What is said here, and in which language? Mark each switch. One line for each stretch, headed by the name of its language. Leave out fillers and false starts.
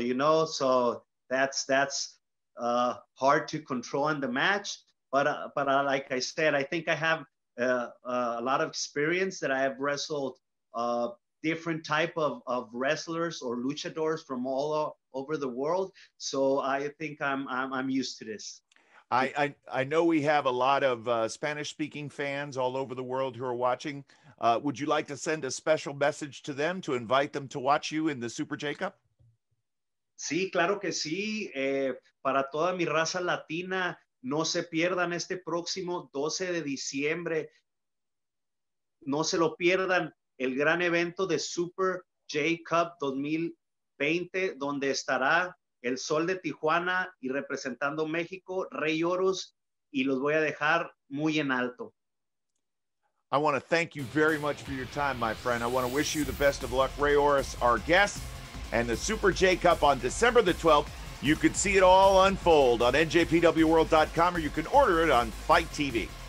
English: You know, so that's. Hard to control in the match, but like I said, I think I have a lot of experience that I have wrestled different type of wrestlers or luchadors from all over the world. So I think I'm used to this. I know we have a lot of Spanish speaking fans all over the world who are watching. Would you like to send a special message to them to invite them to watch you in the Super J Cup?
Spanish: Sí, claro que sí. Para toda mi raza latina, no se pierdan este próximo 12 de diciembre. No se lo pierdan el gran evento de Super J Cup 2020, donde estará el Sol de Tijuana y representando México, Rey Oros, y los voy a dejar muy en alto.
English: I want to thank you very much for your time, my friend. I want to wish you the best of luck. Rey Oros, our guest. And the Super J Cup on December the 12th. You could see it all unfold on njpwworld.com or you can order it on Fight TV.